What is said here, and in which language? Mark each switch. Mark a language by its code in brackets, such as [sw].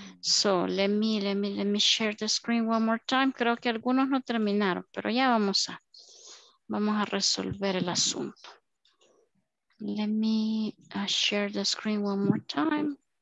[en] So, let me share the screen one more time. [es] Creo que algunos no terminaron, pero ya vamos a resolver el asunto. [en] Let me share the screen one more time.